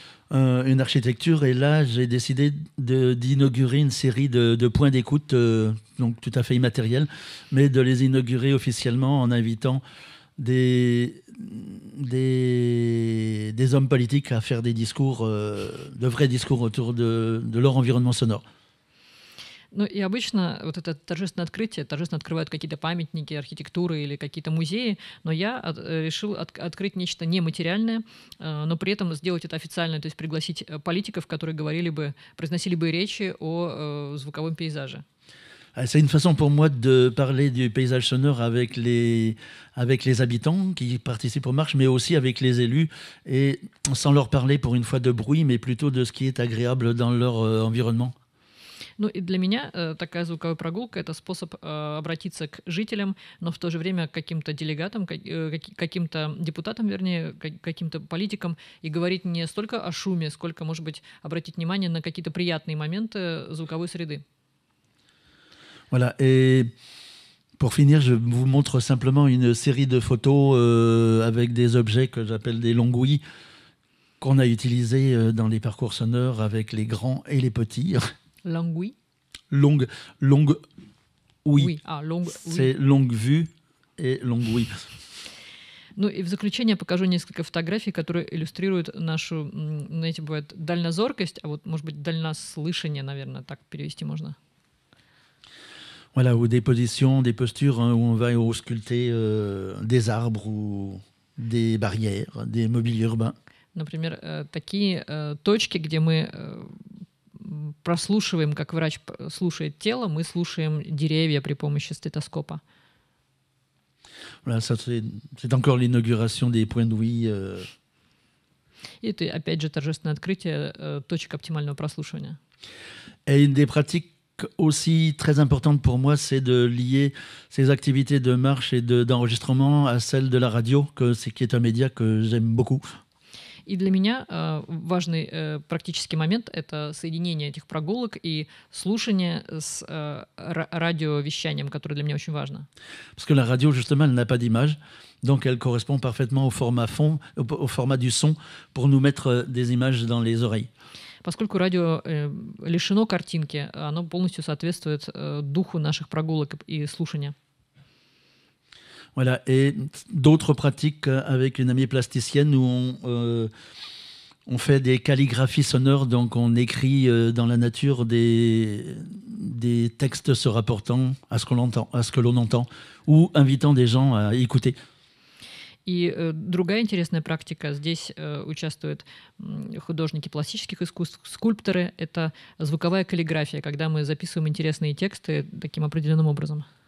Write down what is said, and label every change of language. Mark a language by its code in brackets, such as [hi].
[fr] une architecture. Et là, j'ai décidé d'inaugurer une série de points d'écoute, donc tout à fait immatériels, mais de les inaugurer officiellement en invitant des hommes politiques à faire des discours, de vrais discours autour de leur environnement sonore. [ru] Ну и обычно вот это торжественное открытие, торжественно открывают какие-то памятники архитектуры или какие-то музеи, но я решил открыть нечто нематериальное, но при этом сделать это официально, то есть пригласить политиков, которые говорили бы, произносили бы речи о звуковом пейзаже. [fr] C'est une façon pour moi de parler du paysage sonore avec les habitants qui participent aux marches, mais aussi avec les élus, et sans leur parler pour une fois de bruit, mais plutôt de ce qui est agréable dans leur environnement. [ru] Ну и для меня такая звуковая прогулка — это способ обратиться к жителям, но в то же время к каким-то делегатам, каким-то депутатам, вернее, каким-то политикам, и говорить не столько о шуме, сколько, может быть, обратить внимание на какие-то приятные моменты звуковой среды. [fr] Voilà. Et pour finir, je vous montre simplement une série de photos avec des objets que j'appelle des longouilles qu'on a utilisés dans les parcours sonores avec les grands et les petits. Longouille. Longouille. Oui. Ah, longouille. C'est longue vue et longouille. [ru] Ну и в заключение покажу несколько фотографий, которые иллюстрируют нашу, знаете, бывает дальнозоркость, а вот, может быть, дальнослышание, наверное, так перевести можно. [fr] Voilà, ou des positions, des postures hein, où on va ausculter des arbres ou des barrières, des mobiliers urbains. [ru] Например, такие точки, где мы прослушиваем, как врач слушает тело, мы слушаем деревья при помощи стетоскопа. [fr] Voilà, ça c'est encore l'inauguration des points d'ouïe. [ru] И это, опять же, торжественное открытие точек оптимального прослушивания. [fr] Et une des pratiques aussi très importante pour moi, c'est de lier ces activités de marche et d'enregistrement à celles de la radio, qui est un média que j'aime beaucoup. Et pour moi, [ru] важный практический момент — это соединение этих прогулок и слушание с радиовещанием, которое для меня очень важно. [fr] Parce que la radio, justement, elle n'a pas d'image, donc elle correspond parfaitement au format du son pour nous mettre des images dans les oreilles. [ru] Поскольку радио лишено картинки, оно полностью соответствует духу наших прогулок и слушания. [fr] Voilà, et d'autres pratiques avec une amie plasticienne où on fait des calligraphies sonores, donc on écrit dans la nature des textes se rapportant à ce qu'on entend, à ce que l'on entend, ou invitant des gens à écouter. [ru] И другая интересная практика. Здесь участвуют художники пластических искусств, скульпторы. Это звуковая каллиграфия, когда мы записываем интересные тексты таким определенным образом.